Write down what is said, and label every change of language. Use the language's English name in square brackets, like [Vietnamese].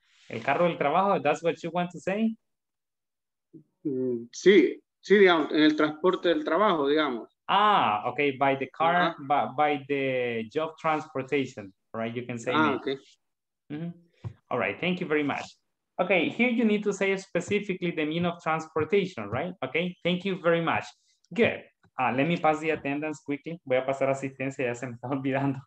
[Spanish] El carro del trabajo, [English] that's what you want to say? [Spanish] Sí, sí, digamos, en el transporte del trabajo, digamos. [English] Ah, okay, by the car, by the job transportation, right? You can say maybe. Okay. Mm-hmm. All right, thank you very much. Okay, here you need to say specifically the mean of transportation, right? Okay, thank you very much. Good. Let me pass the attendance quickly. [Spanish] Voy a pasar asistencia, ya se me está olvidando.